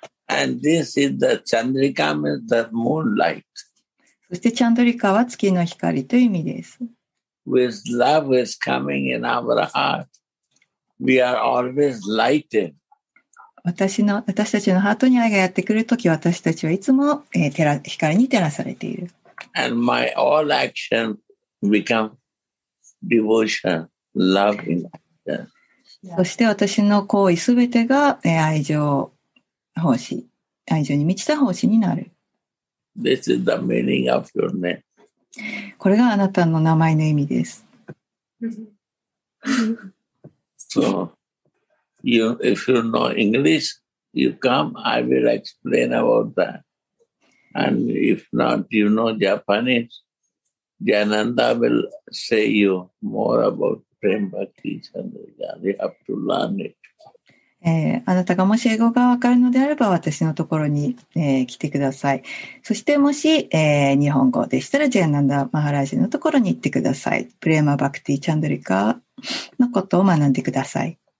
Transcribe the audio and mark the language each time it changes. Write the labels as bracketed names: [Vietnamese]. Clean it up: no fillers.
[English] And this is the Chandrika, means the moonlight. [Japanese] そしてチャンドリカは月の光という意味です。 [English] With love is coming in our heart, we are always lighted. [Japanese] 私たちのハートに愛がやってくるとき、私たちはいつも、光に照らされている。 [English] And my all action become devotion, love in action. [Japanese] そして私の行為すべてが愛情奉仕、愛情に満ちた奉仕になる。 [English] This is the meaning of your name. [Japanese] これがあなたの名前の意味です。 [English] So, if you know English, you come, I will explain about that. And if not, you know Japanese, Jananda will say you more about Prem Bhakti Chandrika. You have to learn it. [Japanese] あなたがもし英語がわかるのであれば、私のところに、来てください。そしてもし、日本語でしたら、Jananda Maharaj のところに行ってください。 Prem Bhakti Chandrika のことを学んでください。